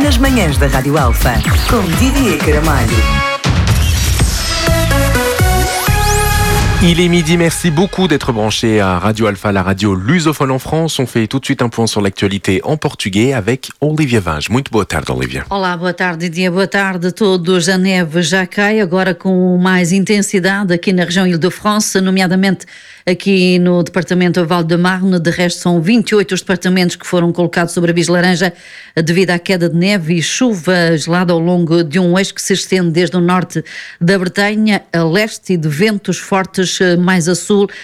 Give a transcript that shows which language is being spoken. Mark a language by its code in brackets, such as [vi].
[pt] Nas manhãs da Rádio Alfa, com Didier Caramalho. [fr] Il est midi, merci beaucoup d'être branché à Radio Alpha, la radio lusophone en France. On fait tout de suite un point sur l'actualité en portugais avec Olivia Vange. [pt] Muito boa tarde, Olivia. Olá, boa tarde, dia, boa tarde a todos. A neve já cai agora com mais intensidade aqui na região Ile-de-France, nomeadamente aqui no departamento Val-de-Marne. De resto, são 28 os departamentos que foram colocados sobre aviso laranja devido à queda de neve e chuva gelada ao longo de um eixo que se estende desde o norte da Bretanha a leste e de ventos fortes mais a sul.